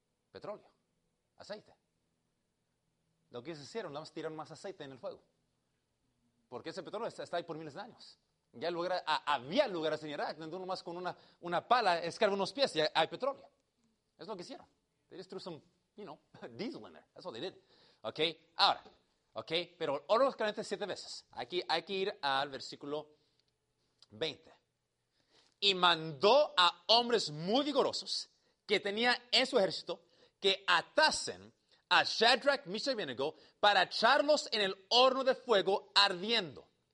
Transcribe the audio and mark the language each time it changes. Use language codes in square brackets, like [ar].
[es] Petróleo, aceite. Lo que hicieron, nada más tiraron más aceite en el fuego. Porque ese petróleo está ahí por miles de años. Ya había lugares en Irak donde uno más con una pala escarba unos pies y hay petróleo. Es lo que hicieron. [en] They just threw some, diesel in there. That's what they did. Ok, [es] ahora. Ok, pero oro los calientes 7 veces. Aquí hay que ir al versículo 20. Y mandó a hombres muy vigorosos que tenía en su ejército que atasen a Shadrach, Meshach y Abednego para echarlos en el horno de fuego ardiendo.